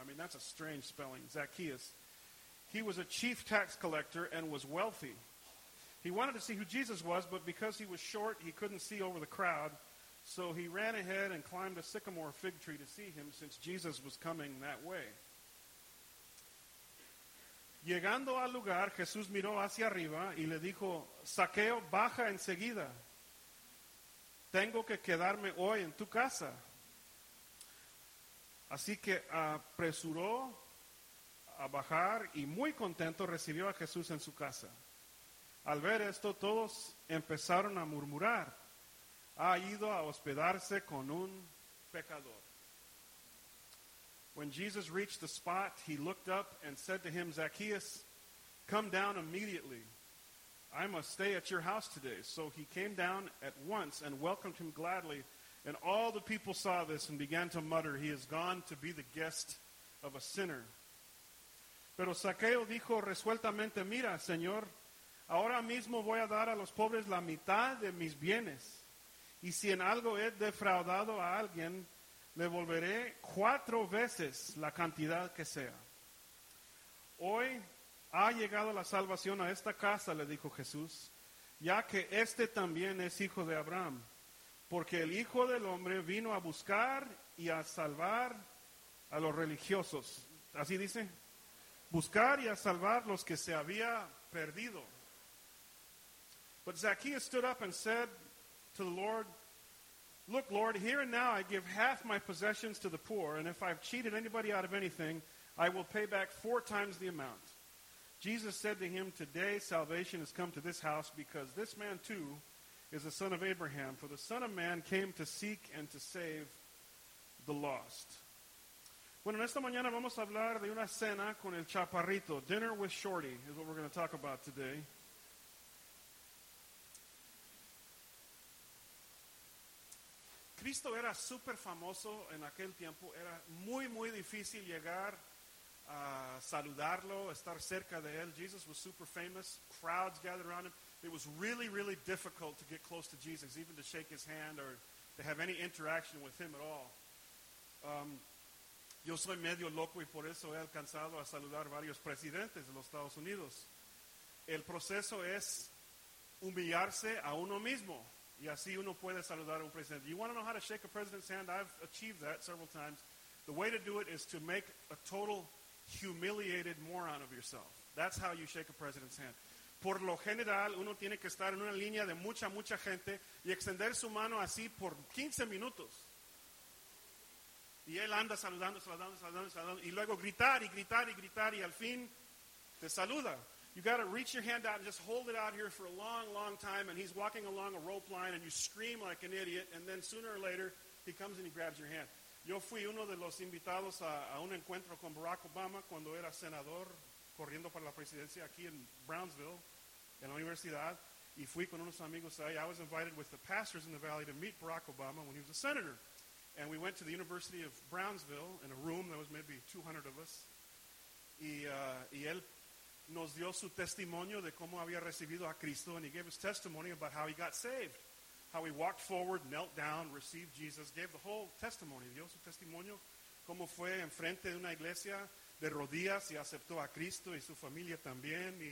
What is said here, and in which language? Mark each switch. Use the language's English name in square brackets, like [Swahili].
[English] I mean, that's a strange spelling, Zacchaeus. He was a chief tax collector and was wealthy. He wanted to see who Jesus was, but because he was short, he couldn't see over the crowd. So he ran ahead and climbed a sycamore fig tree to see him, since Jesus was coming that way. [Spanish] Llegando al lugar, Jesús miró hacia arriba y le dijo, Zaqueo, baja enseguida. Tengo que quedarme hoy en tu casa. Así que apresuró a bajar y muy contento recibió a Jesús en su casa. Al ver esto, todos empezaron a murmurar. Ha ido a hospedarse con un pecador. [English] When Jesus reached the spot, he looked up and said to him, Zacchaeus, come down immediately. I must stay at your house today. So he came down at once and welcomed him gladly. And all the people saw this and began to mutter, he has gone to be the guest of a sinner. [Spanish] Pero Zaqueo dijo resueltamente, mira, Señor, ahora mismo voy a dar a los pobres la mitad de mis bienes. Y si en algo he defraudado a alguien, le volveré cuatro veces la cantidad que sea. Hoy ha llegado la salvación a esta casa, le dijo Jesús, ya que este también es hijo de Abraham. Porque el Hijo del Hombre vino a buscar y a salvar a los religiosos. Así dice. Buscar y a salvar los que se había perdido. [English] But Zacchaeus stood up and said to the Lord, look, Lord, here and now I give half my possessions to the poor, and if I've cheated anybody out of anything, I will pay back four times the amount. Jesus said to him, today salvation has come to this house, because this man too is a son of Abraham, for the Son of Man came to seek and to save the lost. [Spanish] Bueno, en esta mañana vamos a hablar de una cena con el chaparrito. [English] Dinner with Shorty is what we're going to talk about today. [Spanish] Cristo era súper famoso en aquel tiempo. Era muy, muy difícil llegar a saludarlo, estar cerca de él. [English] Jesus was super famous. Crowds gathered around him. It was really, really difficult to get close to Jesus, even to shake his hand or to have any interaction with him at all. [Spanish] Yo soy medio loco y por eso he alcanzado a saludar varios presidentes de los Estados Unidos. El proceso es humillarse a uno mismo Y así uno puede saludar a un presidente. [English] You want to know how to shake a president's hand? I've achieved that several times. The way to do it is to make a total humiliated moron of yourself. That's how you shake a president's hand. [Spanish] Por lo general, uno tiene que estar en una línea de mucha, mucha gente y extender su mano así por 15 minutos. Y él anda saludando, saludando, saludando, saludando. Y luego gritar y gritar y gritar y al fin te saluda. [English] You got to reach your hand out and just hold it out here for a long, long time. And he's walking along a rope line and you scream like an idiot. And then sooner or later, he comes and he grabs your hand. [Spanish] Yo fui uno de los invitados a un encuentro con Barack Obama cuando era senador corriendo para la presidencia aquí en Brownsville, en la universidad. Y fui con unos amigos ahí. [English] I was invited with the pastors in the valley to meet Barack Obama when he was a senator. And we went to the University of Brownsville in a room that was maybe 200 of us. [Spanish] Y él nos dio su testimonio de cómo había recibido a Cristo, [English] and he gave his testimony about how he got saved. How he walked forward, knelt down, received Jesus, gave the whole testimony. [Spanish] Dio su testimonio, cómo fue enfrente de una iglesia de rodillas y aceptó a Cristo y su familia también.